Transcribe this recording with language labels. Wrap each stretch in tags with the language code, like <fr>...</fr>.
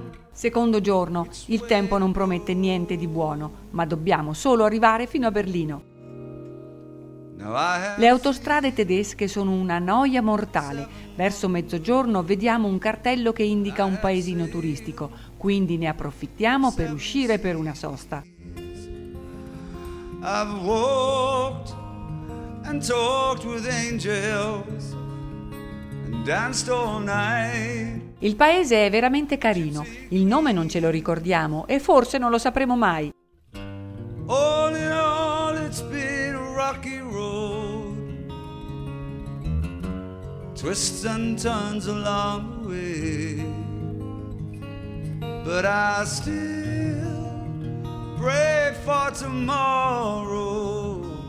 <it>Secondo giorno, il tempo non promette niente di buono, ma dobbiamo solo arrivare fino a Berlino. Le autostrade tedesche sono una noia mortale. Verso mezzogiorno vediamo un cartello che indica un paesino turistico, quindi ne approfittiamo per uscire per una sosta.</it> <en>I've walked and talked with angels and danced all night.</en> <it>Il paese è veramente carino. Il nome non ce lo ricordiamo e forse non lo sapremo mai.</it> <en>All in all it's been a rocky road, twists and turns along the way, but I still pray for tomorrow.</en>